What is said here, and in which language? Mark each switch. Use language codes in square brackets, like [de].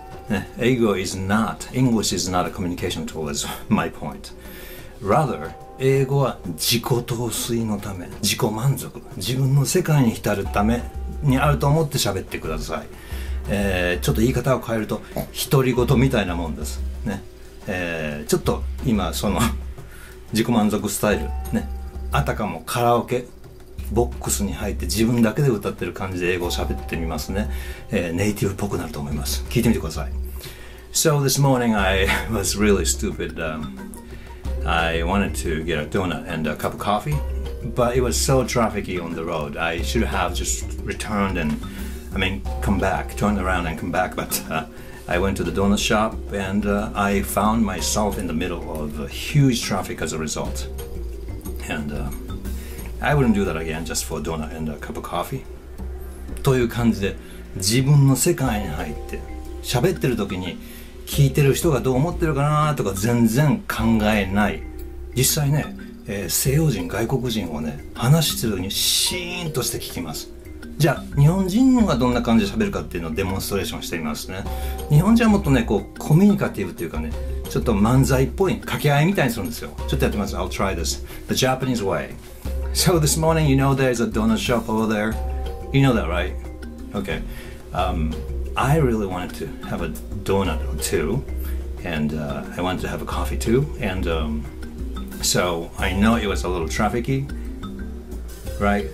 [en] ね、English is not a communication tool is my point. [ja] Rather, 英語は自己陶酔のため、自己満足、自分の世界に浸るためにあると思って喋ってください。ちょっと言い方を変えると独り言みたいなもんです、ねちょっと今その自己満足スタイル、ね、あたかもカラオケボックスに入って自分だけで歌ってる感じで英語を喋ってみますね、ネイティブっぽくなると思います。聞いてみてください。 [en] So this morning I was really stupid、I wanted to get a donut and a cup of coffee but it was so trafficy on the road I should have just returned andI mean, come back, turn around and come back. But、I went to the donut shop and、I found myself in the middle of huge traffic as a result. And、I wouldn't do that again just for a donut and a cup of coffee. [ja] という感じで自分の世界に入って喋ってる時に聞いてる人がどう思ってるかなとか全然考えない。実際ね、西洋人外国人をね話してるにシーンとして聞きます。じゃあ日本人はどんな感じで喋るかっていうのをデモンストレーションしてみますね。日本人はもっとねこうコミュニカティブっていうかねちょっと漫才っぽい掛け合いみたいにするんですよ。ちょっとやってみます。 [en] I'll try this the Japanese way. So this morning you know there's a donut shop over there. You know that right? Okay、I really wanted to have a donut or two and、I wanted to have a coffee too and、so I know it was a little trafficy right?